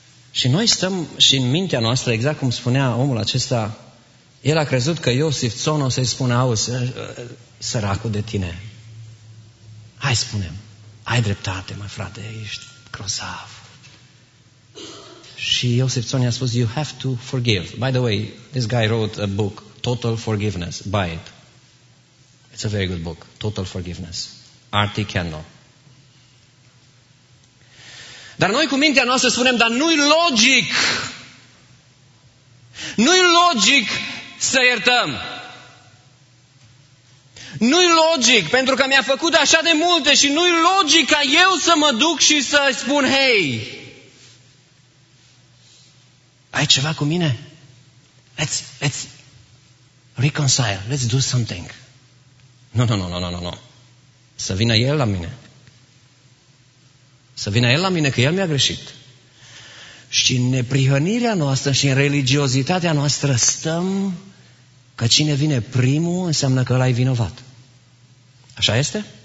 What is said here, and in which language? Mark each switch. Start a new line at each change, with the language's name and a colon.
Romanian: Și noi stăm și în mintea noastră, exact cum spunea omul acesta, el a crezut că Iosif Țon o să-i spună, auzi, săracul de tine, hai spune-mi, ai dreptate, mă frate, ești grozav. Și Iosif Țon i-a spus,
English: you have to forgive. By the way, this guy wrote a book, Total Forgiveness, buy it. It's a very good book, Total Forgiveness, R.T. Kendall.
Romanian: Dar noi cu mintea noastră spunem, dar nu-i logic. Nu-i logic să iertăm. Nu-i logic, pentru că mi-a făcut așa de multe și nu-i logic ca eu să mă duc și să spun, hei, ai ceva cu mine?
English: Let's reconcile, let's do something.
Romanian: Nu. Să vină el la mine. Să vină el la mine, că el mi-a greșit. Și în neprihănirea noastră și în religiozitatea noastră stăm că cine vine primul înseamnă că ăla e vinovat. Așa este?